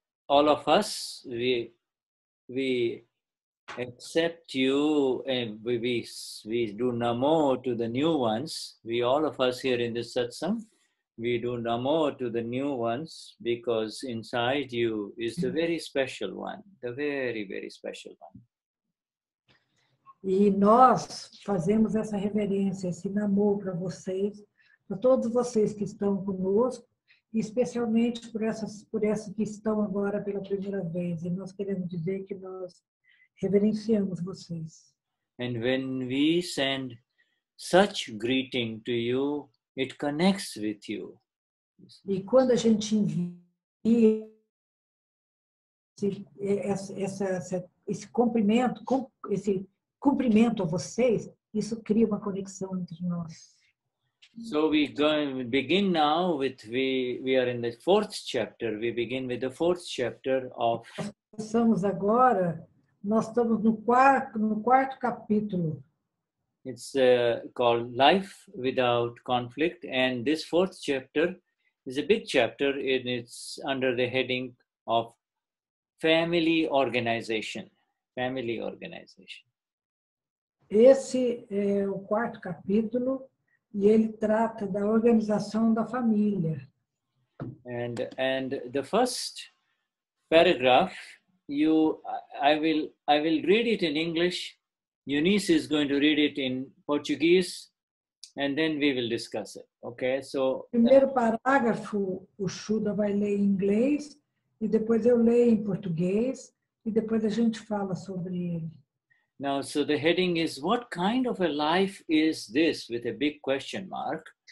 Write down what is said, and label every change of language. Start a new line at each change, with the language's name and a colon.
English: All of us, we accept you and we do namo to the new ones. We, all of us here in this satsang, we do namo to the new ones because inside you is the very special one, the very, very special one.
Portuguese: E nós fazemos essa reverência, esse namo para vocês, para todos vocês que estão conosco especialmente por essas que estão agora pela primeira vez. E nós queremos dizer que nós reverenciamos vocês.
English: And when we send such greeting to you, it connects with you.
Portuguese: E quando a gente envia esse cumprimento, esse cumprimento a vocês, isso cria uma conexão entre nós.
English: So we go begin now with we are in the fourth chapter. We begin with the fourth chapter of.
Portuguese: Começamos agora. Nós estamos no quarto capítulo.
English: It's called Life Without Conflict, and this fourth chapter is a big chapter, and it's under the heading of Family Organization. Family Organization.
Portuguese: Esse é o quarto capítulo, e ele trata da organização da família.
English: And the first paragraph, I will read it in English. Eunice is going to read it in Portuguese, and then we will discuss it. Okay, so.
Portuguese: Primeiro parágrafo, o Shuddha vai ler em inglês, e depois eu leio em português, e depois a gente fala sobre ele.
English: Now, so the heading is, what kind of a life is this, with a big question mark?